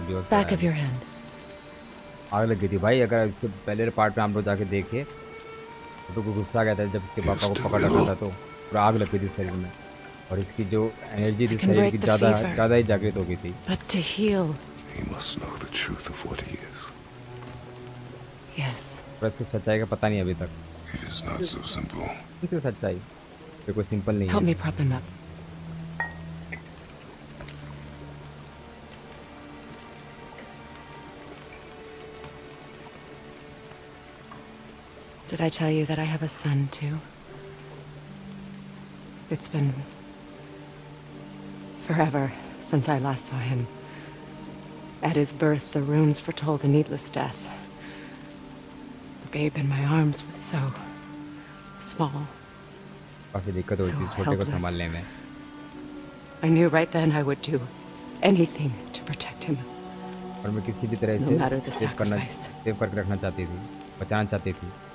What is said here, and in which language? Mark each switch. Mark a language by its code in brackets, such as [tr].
[en] Back of your hand. [hi] आग लग गई थी भाई, अगर इसके पहले पार्ट में आप लोग जाके देखे तो गुस्सा आ गया था जब इसके पापा को पकड़ रखा था तो पूरा आग लग गई थी शरीर में और इसकी जो एनर्जी थी शरीर की ज्यादा ही जागृत हो गई थी। [en] But to heal, he must know the truth of what he is. Yes. [hi] सच्चाई का पता नहीं अभी तक। सच्चाई तो कोई सिंपल नहीं है। [en] Help me prop him up. Did I tell you that I have a son too? It's been forever since I last saw him. At his birth, the runes foretold a needless death. Babe in my arms was so small. So helpless. I knew right then I would do anything to protect him. [hi] और मैं किसी भी तरह से [en] no matter the sacrifice. [hi] Save करके रखना चाहती थी, बचाना चाहती थी।